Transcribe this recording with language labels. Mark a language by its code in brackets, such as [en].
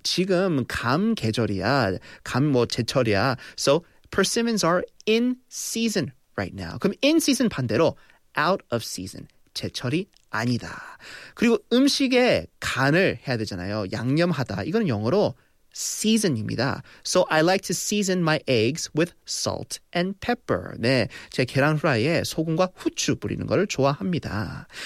[ko] 지금 감 계절이야, 감 뭐 제철이야. [en] So persimmons are in season right now. [ko] 그럼 [en] in season [ko] 반대로 [en] out of season. [ko] 제철이 아니다. 그리고 음식에 간을 해야 되잖아요. 양념하다. 이거는 영어로 season입니다. [en] So I like to season my eggs with salt and pepper. [ko] 네, 제 계란 후라이에 소금과 후추 뿌리는 걸 좋아합니다.